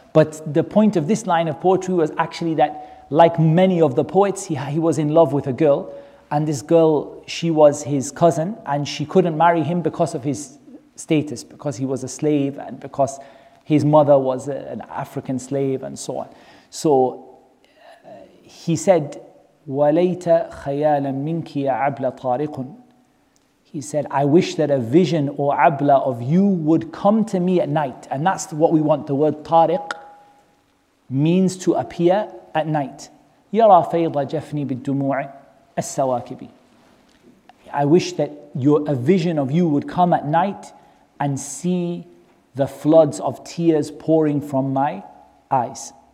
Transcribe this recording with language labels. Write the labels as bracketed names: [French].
[English] But the point of this line of poetry was actually that, like many of the poets, he was in love with a girl, and this girl, she was his cousin, and she couldn't marry him because of his status, because he was a slave, and because his mother was an African slave, and so on. So he said, [Arabic] وَلَيْتَ خَيَالًا مِنْكِ يَا عَبْلَ طَارِقٌ. [English] He said, I wish that a vision or abla of you would come to me at night. And that's what we want. The word tariq means to appear at night. [Arabic] Yara fayda jafni bid-dumu' as-sawakibi. [English] I wish that a vision of you would come at night and see the floods of tears pouring from my eyes.